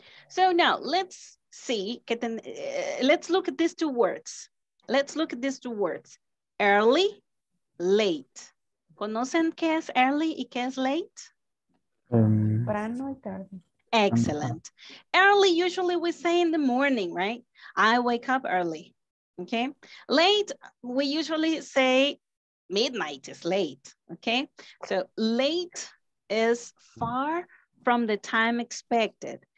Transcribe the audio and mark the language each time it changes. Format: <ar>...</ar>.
<en>So now let's see, let's look at these two words. Let's look at these two words, early, late.</en> <es>¿Conocen qué es early y qué es late? Temprano y tarde.</es> <en>Excellent. Early, usually we say in the morning, right? I wake up early, okay? Late, we usually say midnight is late, okay? So late is far from the time expected.</en>